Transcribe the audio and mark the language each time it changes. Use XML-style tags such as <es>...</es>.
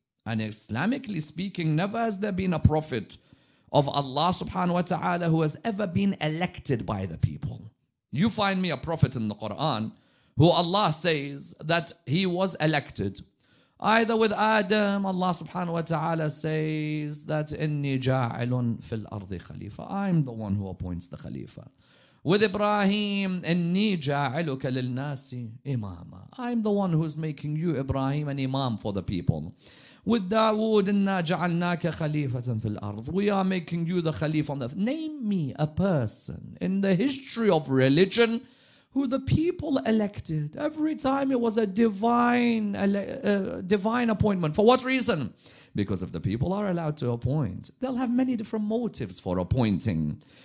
<en>And Islamically speaking, never has there been a prophet of Allah subhanahu wa ta'ala who has ever been elected by the people. You find me a prophet in the Quran who Allah says that he was elected. Either with Adam, Allah subhanahu wa ta'ala says that</en> <ar>إِنِّي جَاعِلٌ فِي الْأَرْضِ خَلِيفَةً.</ar> <en>I'm the one who appoints the Khalifa. With Ibrahim,</en> <ar>إِنِّي جَاعِلُكَ لِلنَّاسِ إِمَامًا.</ar> <en>I'm the one who's making you, Ibrahim, an imam for the people. With Dawood,</en> <ar>إِنَّا جَعَلْنَاكَ خَلِيفَةً فِي الْأَرْضِ.</ar> <en>We are making you the Khalifa on the earth. Name me a person in the history of religion who the people elected. Every time it was a divine appointment. For what reason? Because if the people are allowed to appoint, they'll have many different motives for appointing.</en>